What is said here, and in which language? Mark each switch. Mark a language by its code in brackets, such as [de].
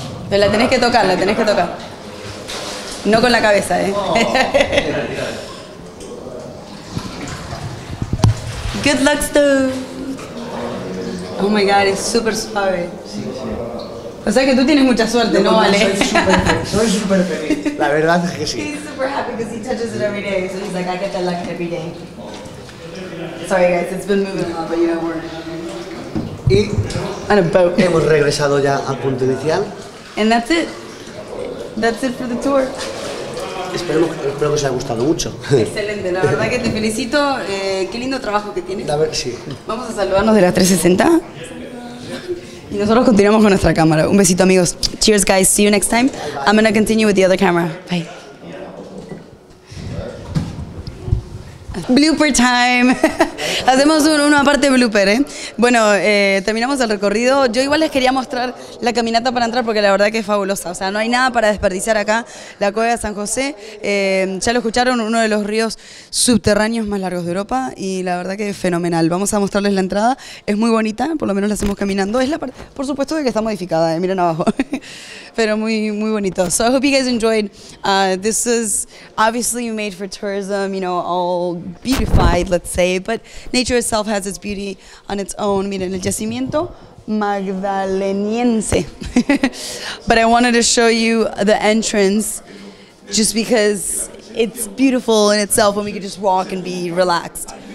[es] Pero la tenés que tocar, No con la cabeza, [en] Good luck, Stu. Oh my God, it's super [es] suave. Sí. O sea que tú tienes mucha suerte, ¿no, Vale? Soy súper feliz. La verdad es que sí. [en] He's super happy because he touches it every day. So he's like, I get that luck every day. Sorry guys, it's been moving a lot, but you don't worry. [es] Y hemos regresado ya al punto inicial. [en] And that's it. That's it for the tour. [es] Espero que os haya gustado mucho. Excelente, la verdad que te felicito. Qué lindo trabajo que tienes. A ver, sí. Vamos a saludarnos de la 360. Y nosotros continuamos con nuestra cámara. Un besito, amigos. [en] Cheers, guys. See you next time. I'm going to continue with the other camera. Bye. Blooper time. [es] Hacemos una parte blooper, ¿eh? Bueno, terminamos el recorrido. Yo igual les quería mostrar la caminata para entrar porque la verdad que es fabulosa. O sea, no hay nada para desperdiciar acá. La Cueva de San José, ya lo escucharon, uno de los ríos subterráneos más largos de Europa y la verdad que es fenomenal. Vamos a mostrarles la entrada. Es muy bonita, por lo menos la hacemos caminando. Es la parte, por supuesto, que está modificada, ¿eh? Miren abajo. Pero muy, muy bonito. [en] So I hope you guys enjoyed. This is obviously made for tourism, you know, all beautified, let's say, but nature itself has its beauty on its own. [es] Miren el yacimiento magdaleniense. [en] But I wanted to show you the entrance just because it's beautiful in itself when we could just walk and be relaxed.